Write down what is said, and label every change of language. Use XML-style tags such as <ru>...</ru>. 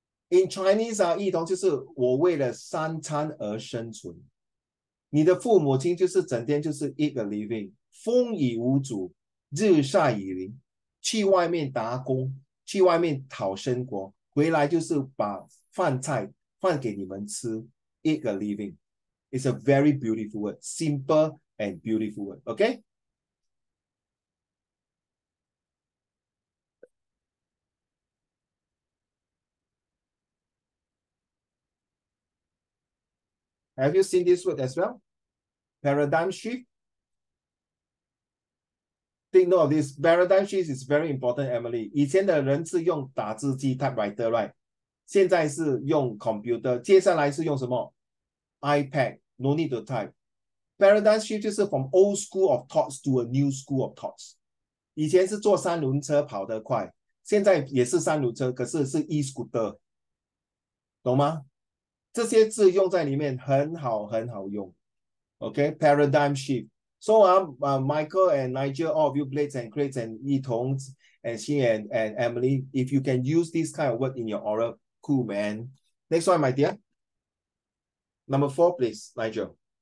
<en>In Chinese,</en> <zh>一同就是我为了三餐而生存. 你的父母亲就是整天就是</zh> <en>eat the living.</en> <zh>风雨无阻, 日晒雨淋, 去外面打工, 去外面讨生活, 回来就是把饭菜, 饭给你们吃,</zh> <en>eat a living. It's a very beautiful word, simple and beautiful word, okay? Have you seen this word as well? Paradigm shift? Take note of this. Paradigm shift is very important, Emily.</en> <zh>以前的人是用打字机, typewriter, right? 现在是用 computer. 接下来是用什么?iPad.</zh> <en>No need to type. Paradigm shift</en> <zh>就是</zh> <en>from old school of thoughts to a new school of thoughts.</en> <zh>以前是坐三轮车跑得快, 现在也是三轮车, 可是是 e-scooter. 懂吗? 这些字用在里面很好很好用, okay?</zh> <en>Paradigm shift. So Michael and Nigel, all of you, Blades and Crates and Yitong and Xin and Emily, if you can use this kind of word in your oral, cool, man. Next one, my dear. Number 4, please, Nigel.</en>